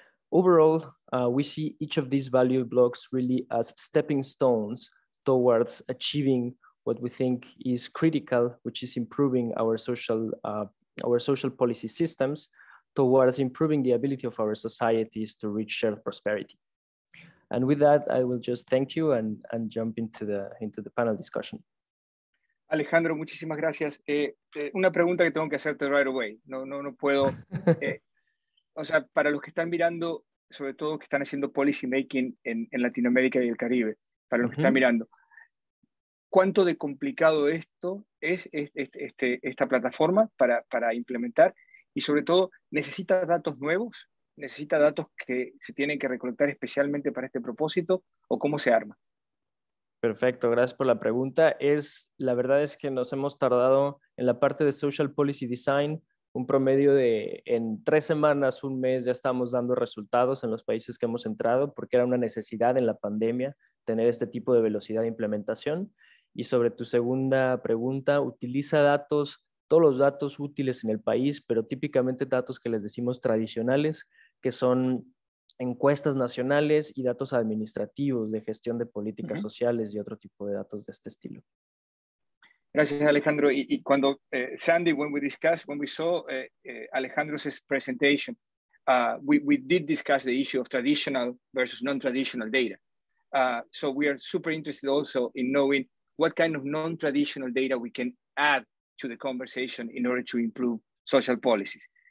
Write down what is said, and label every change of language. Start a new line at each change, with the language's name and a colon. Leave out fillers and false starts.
English: Overall, we see each of these value blocks really as stepping stones towards achieving what we think is critical, which is improving our social policy systems towards improving the ability of our societies to reach shared prosperity. And with that, I will just thank you and jump into the panel discussion.
Spanish: Alejandro, muchísimas gracias. Una pregunta que tengo que hacerte
English: right away.
Spanish: No puedo. O sea, para los que están mirando, sobre todo que están haciendo policy making en Latinoamérica y el Caribe, para los que están mirando, ¿cuánto de complicado esto es esta plataforma para implementar? Y sobre todo, ¿necesita datos nuevos? ¿Necesita datos que se tienen que recolectar especialmente para este propósito? ¿O cómo se arma? Perfecto, gracias por la pregunta. La verdad es que nos hemos tardado en la parte de social policy design un promedio de en 3 semanas, 1 mes, ya estamos dando resultados en los países que hemos entrado, porque era una necesidad en la pandemia tener este tipo de velocidad de implementación. Y sobre tu segunda pregunta, utiliza datos, todos los datos útiles en el país, pero típicamente datos que les decimos tradicionales, que son encuestas nacionales y datos administrativos de gestión de políticas sociales y otro tipo de datos de este estilo. Gracias, Alejandro. Y cuando
English: Sandy, when we saw Alejandro's presentation, we did discuss the issue of traditional versus non-traditional data. So we are super interested also in knowing what kind of non-traditional data we can add to the conversation in order to improve social policies.